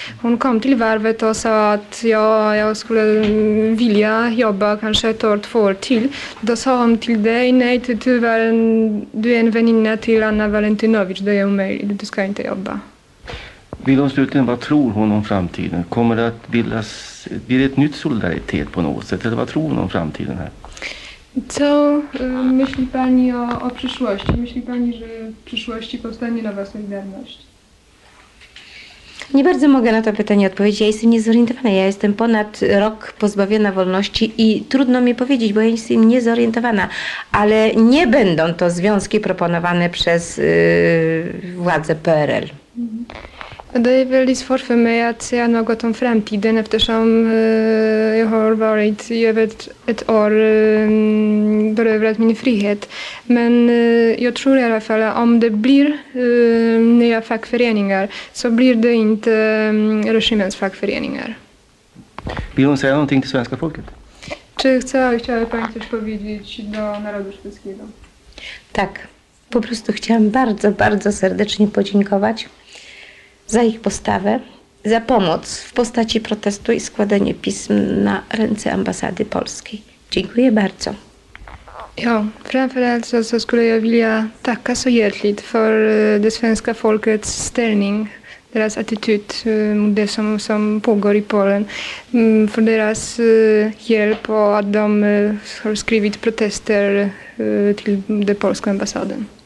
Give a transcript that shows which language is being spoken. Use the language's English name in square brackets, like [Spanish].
[Swedish] Hon kom till varvet och sa att jag skulle vilja jobba kanske ett år, två år till. Då sa hon till dig, nej, du är en väninna till Anna Valentinovic, det är omöjligt, du ska inte jobba. Vill hon slutligen, vad tror hon om framtiden? Kommer det att bildas, blir det ett nytt solidaritet på något sätt? Eller vad tror hon om framtiden här? [Polish] Co myśli pani o przyszłości? Myśli pani, że w przyszłości powstanie nowa solidarność? Nie bardzo mogę na to pytanie odpowiedzieć. Ja jestem niezorientowana. Ja jestem ponad rok pozbawiona wolności i trudno mi powiedzieć, bo ja jestem niezorientowana. Ale nie będą to związki proponowane przez władze PRL. [Swedish] Det är väldigt svårt för mig att säga något om framtiden eftersom jag har varit i över ett år berövrat min frihet. Men jag tror i alla fall att om det blir nya fackföreningar så blir det inte regimens fackföreningar. Vill hon säga någonting till svenska folket? [Polish] Chciałaby pani coś powiedzieć do narodu szwedzkiego? Tak, po prostu chciałam bardzo, bardzo serdecznie podziękować za ich postawę, za pomoc w postaci protestu i składanie pism na ręce ambasady polskiej. Dziękuję bardzo. [Swedish] Ja, framförallt så skulle jag vilja tacka så hjärtligt för det svenska folkets ställning, deras attityd mot det som pågår i Polen, för deras hjälp och att de har skrivit protester till den polska ambassaden.